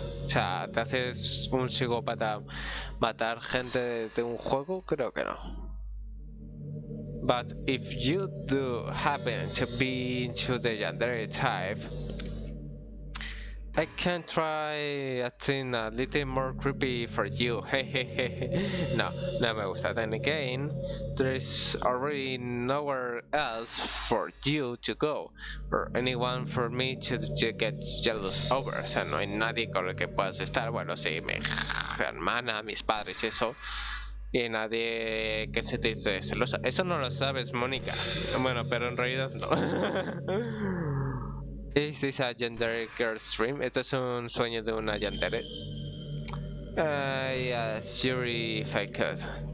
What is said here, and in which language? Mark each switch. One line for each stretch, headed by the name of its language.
Spanish: O sea, ¿te haces un psicópata matar gente de un juego? Creo que no.
English: But if you do happen to be into the yandere type, I can try acting a little more creepy for you.
Spanish: No, no me gusta.
English: Then again, there is already nowhere else for you to go, or anyone for me to get jealous over.
Spanish: O sea, no hay nadie con el que puedas estar. Bueno, sí, mi hermana, mis padres y eso. Y nadie que se te dice celosa. Eso no lo sabes, Mónica. Bueno, pero en realidad no.
English: Is this a gender girl's dream?
Spanish: Esto es un sueño de una yandere.
English: Yes, Yuri, if I could.